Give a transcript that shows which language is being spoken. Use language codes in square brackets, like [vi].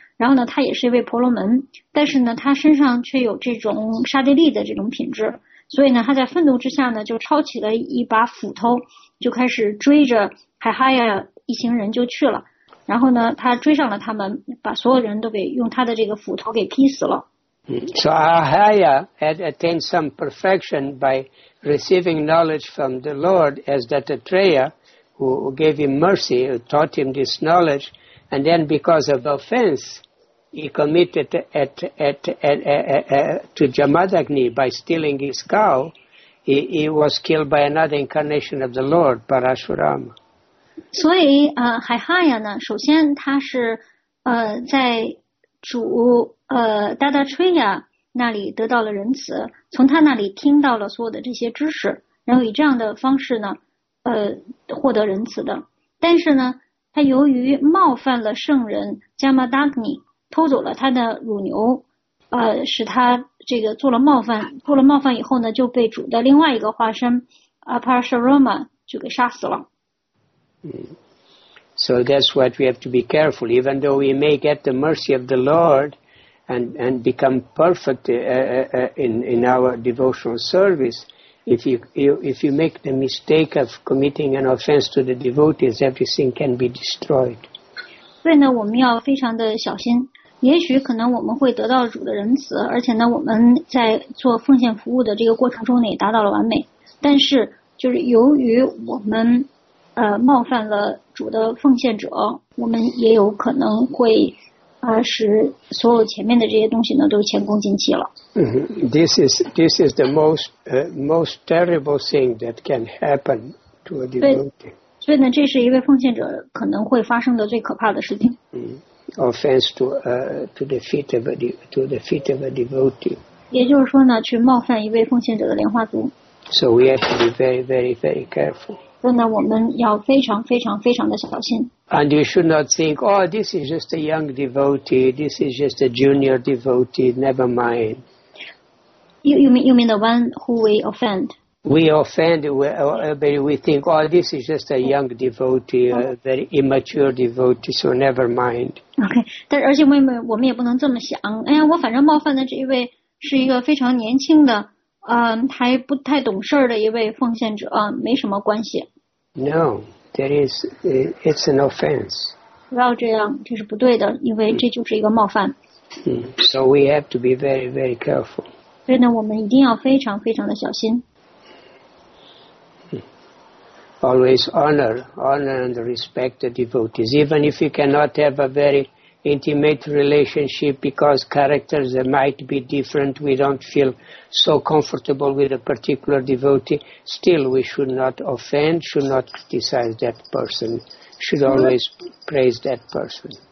[zh] 然后呢，他也是一位婆罗门，但是呢，他身上却有这种刹帝利的这种品质，所以呢，他在愤怒之下呢，就抄起了一把斧头，就开始追着海哈亚一行人就去了。然后呢，他追上了他们，把所有人都给用他的这个斧头给劈死了。 [en] So Ahaya had attained some perfection by receiving knowledge from the Lord as Dattatreya, who gave him mercy, who taught him this knowledge. And then because of the offense, he committed to Yamadagni by stealing his cow, he was killed by another incarnation of the Lord, Parashurama. [zh] 所以海哈亚呢，首先他是在主达达吹亚那里得到了仁慈，从他那里听到了所有的这些知识，然后以这样的方式呢获得仁慈的。但是呢，他由于冒犯了圣人 Yamadagni， 偷走了他的乳牛，使他这个做了冒犯以后呢，就被主的另外一个化身， Aparasharama 就给杀死了。 [en] So that's what we have to be careful. Even though we may get the mercy of the Lord and become perfect in our devotional service, if you make the mistake of committing an offense to the devotees, everything can be destroyed. [zh] 所以呢，我们要非常的小心。也许可能我们会得到主的仁慈，而且呢，我们在做奉献服务的这个过程中呢，也达到了完美。但是，就是由于我们冒犯了主的奉献者，我们也有可能会使所有前面的这些东西呢都前功尽弃了。 [en] This is the most terrible thing that can happen to a devotee. [zh] 所以呢，这是一位奉献者可能会发生的最可怕的事情。 [en] Offense to the feet of a devotee. [zh] 也就是说呢，去冒犯一位奉献者的莲花足。 [en] So we have to be very, very, very careful. [zh] 所以呢，我们要非常非常非常的小心。 [en] And you should not think, oh, this is just a young devotee, this is just a junior devotee, never mind. You mean the one who we offend? We think, oh, this is just a young devotee, a very immature devotee, so never mind. [zh] Okay, 但而且我们也不能这么想，哎呀，我反正冒犯的这一位是一个非常年轻的还不太懂事的一位奉献者，没什么关系。 [en] No, there is, it's an offense. [zh] 不要这样，这是不对的，因为这就是一个冒犯。 [en] So we have to be very, very careful. [zh] 所以呢，我们一定要非常非常的小心。 [en] Always honor and respect the devotees, even if you cannot have a very intimate relationship because characters might be different, we don't feel so comfortable with a particular devotee, still we should not offend, should not criticize that person, should always praise that person.